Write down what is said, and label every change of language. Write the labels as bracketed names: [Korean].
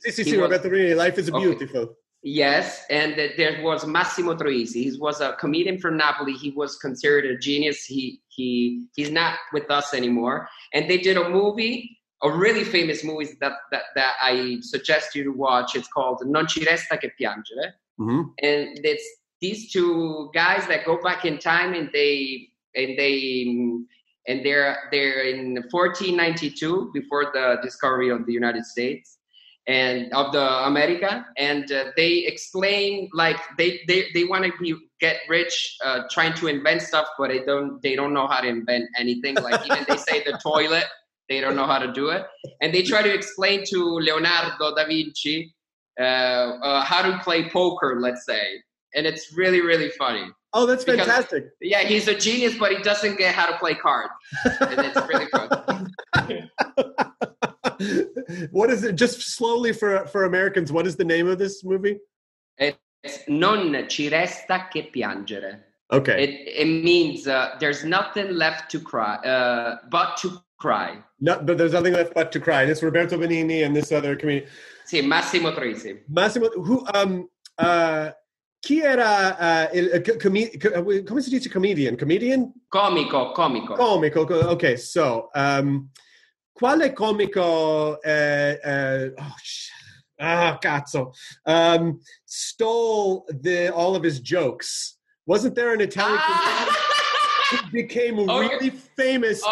[English] Si, Roberto Benigni, life is beautiful. Okay. Yes, and there was Massimo Troisi. He was a comedian from Napoli. He was considered a genius. He's not with us anymore. And they did a movie, a really famous movie that I suggest you to watch. It's called Non ci resta che piangere. Mm-hmm. And it's these two guys that go back in time and they're in 1492 before the discovery of the United States and of the America. And they explain like they want to get rich trying to invent stuff, but they don't know how to invent anything. Like even they say the toilet, they don't know how to do it. And they try to explain to Leonardo da Vinci how to play poker, let's say. And it's really, really funny. Oh, that's fantastic. Yeah, he's a genius, but he doesn't get how to play cards. And it's really funny. What is it? Just slowly for Americans, what is the name of this movie? It's Non ci resta che piangere. Okay. It means there's nothing left to cry, but to cry. No, but there's nothing left but to cry. This Roberto Benigni and this other comedian. Sì, Massimo Troisi. Massimo, who... [Italian] chi era come si dice comedian? Comico. [English] Comico, okay, so, [Italian] quale comico, [English] stole all of his jokes? Wasn't there an Italian comedian who became really famous?